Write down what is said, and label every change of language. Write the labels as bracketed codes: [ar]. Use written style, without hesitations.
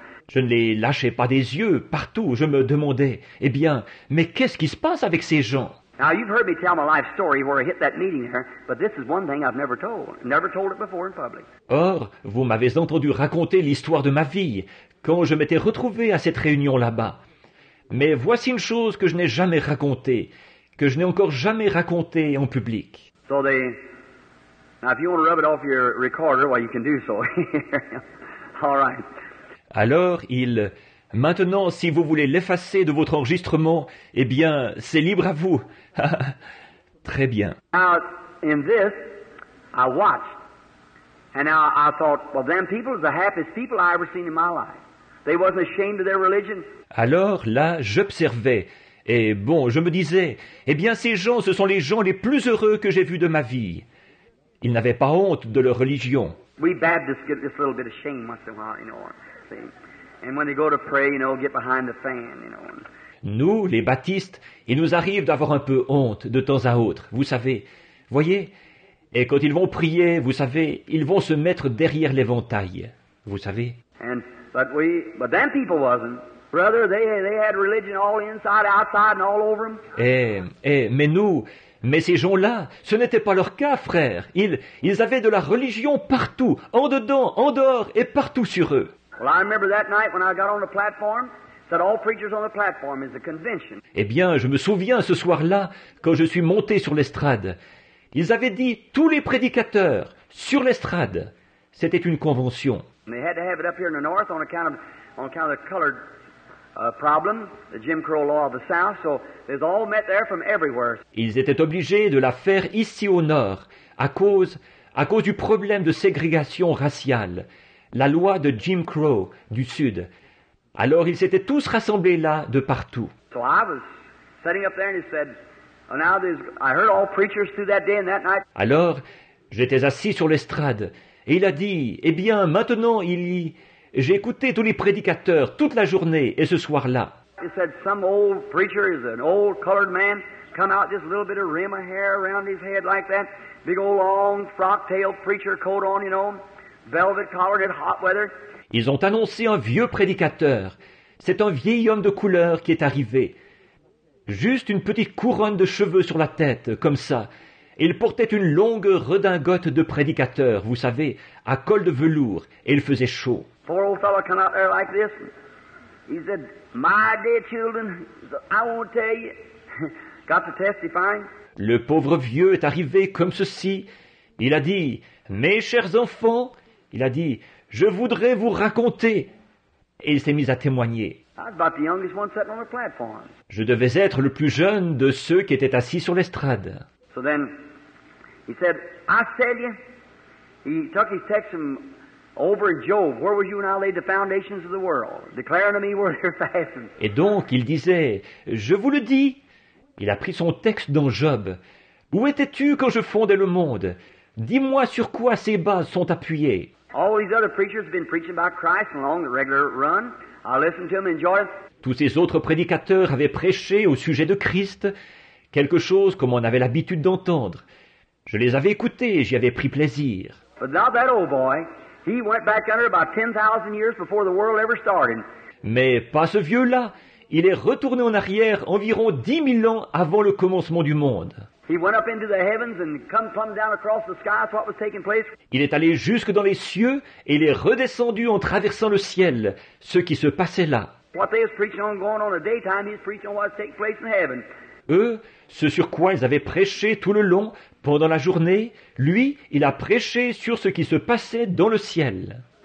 [fr] Je ne les lâchais pas des yeux partout. Je me demandais, eh bien, mais qu'est-ce qui se passe avec ces gens? [en] Now you've heard me tell my life story where I hit that meeting there, but this is one thing I've never told it before in public. [fr] Or, vous m'avez entendu raconter l'histoire de ma vie quand je m'étais retrouvé à cette réunion là-bas. Mais voici une chose que je n'ai jamais racontée, que je n'ai encore jamais racontée en public. [en] So they, now if you want to rub it off your recorder, well, you can do so. All right. [fr] Alors il. Maintenant, si vous voulez l'effacer de votre enregistrement, eh bien, c'est libre à vous. Très bien. [en] Now, in this, I watched. And I thought, well, them people are the happiest people I ever seen in my life. They wasn't ashamed of their religion. [fr] Alors là, j'observais. Et bon, je me disais, eh bien, ces gens, ce sont les gens les plus heureux que j'ai vus de ma vie. Ils n'avaient pas honte de leur religion. [en] We Baptists get this little bit of shame once in a while, you know. And when they go to pray, you know, get behind the fan, you know. [fr] Nous, les baptistes, il nous arrive d'avoir un peu honte de temps à autre, vous savez. Voyez, et quand ils vont prier, vous savez, ils vont se mettre derrière l'éventail, vous savez. [en] And, but them people wasn't. Brother, they had religion all inside, outside, and all over them. [fr] Mais nous, mais ces gens-là, ce n'était pas leur cas, frère. Ils avaient de la religion partout, en dedans, en dehors, et partout sur eux. [en] Well, I remember that night when I got on the platform, that all preachers on the platform is a convention. [fr] Eh bien, je me souviens ce soir-là, quand je suis monté sur l'estrade. Ils avaient dit, tous les prédicateurs, sur l'estrade. C'était une convention. [en] And they had to have it up here in the north on account of the colored problem, the Jim Crow law of the south, so they all met there from everywhere. [fr] Ils étaient obligés de la faire ici au nord, à cause du problème de ségrégation raciale, la loi de Jim Crow du sud. Alors ils s'étaient tous rassemblés là de partout. [en] So I was sitting up there and he said, well, now there's, I heard all preachers through that day and that night. [fr] Alors, j'étais assis sur l'estrade et il a dit, eh bien, maintenant il y... J'ai écouté tous les prédicateurs toute la journée et ce soir-là. [en] He said some old preacher is an old colored man come out just a little bit of rim of hair around his head like that, big old long frock tail preacher coat on, you know, velvet collar in hot weather. [fr] Ils ont annoncé un vieux prédicateur. C'est un vieil homme de couleur qui est arrivé. Juste une petite couronne de cheveux sur la tête, comme ça. Il portait une longue redingote de prédicateur, vous savez, à col de velours, et il faisait chaud. [en] Poor old fellow came out there like this. He said, my dear children, I won't tell you. Got to testify. [fr] Le pauvre vieux est arrivé comme ceci. Il a dit, mes chers enfants, il a dit, je voudrais vous raconter. Et il s'est mis à témoigner. [en] I was about the youngest one sitting on the platform. [fr] Je devais être le plus jeune de ceux qui étaient assis sur l'estrade. [en] So then, he said, I tell you, he took his text from over in Job, where would you and I lay the foundations of the world, declaring to me where they're fastened. [fr] Et donc, il disait, je vous le dis, il a pris son texte dans Job. Où étais-tu quand je fondais le monde? Dis-moi sur quoi ces bases sont appuyées. [en] All these other preachers have been preaching about Christ along the regular run. I listened to them and enjoyed them. [fr] Tous ces autres prédicateurs avaient prêché au sujet de Christ, quelque chose comme on avait l'habitude d'entendre. Je les avais écoutés et j'y avais pris plaisir. [en] But not that old boy. He went back under about 10,000 years before the world ever started. [fr] Mais pas ce vieux-là. Il est retourné en arrière environ 10,000 ans avant le commencement du monde. [en] He went up into the heavens and come plumb down across the sky. That's what was taking place. [fr] Il est allé jusque dans les cieux et il est redescendu en traversant le ciel, ce qui se passait là. [en] What they was preaching on going on the daytime, he's preaching on what's taking place in heaven. [fr] Eux, ce sur quoi ils avaient prêché tout le long, pendant la journée, lui, il a prêché sur ce qui se passait dans le ciel.